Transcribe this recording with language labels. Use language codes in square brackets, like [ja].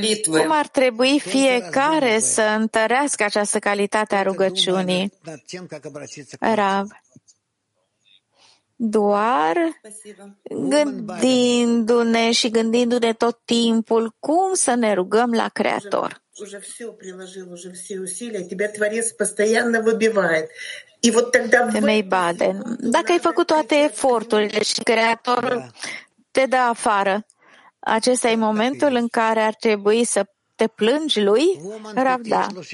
[ro] Cum ar trebui fiecare să întărească această calitate a rugăciunii, Rav? Doar gândindu-ne și gândindu-ne tot timpul cum să ne rugăm la Creator. [ru] Уже все приложил, уже все усилия, тебя Творец постоянно выбивает. И вот тогда Femei Baden. [ro] Dacă ai făcut toate eforturile și Creatorul te dă afară, acesta e momentul în care ar trebui să te plângi lui, Ravda.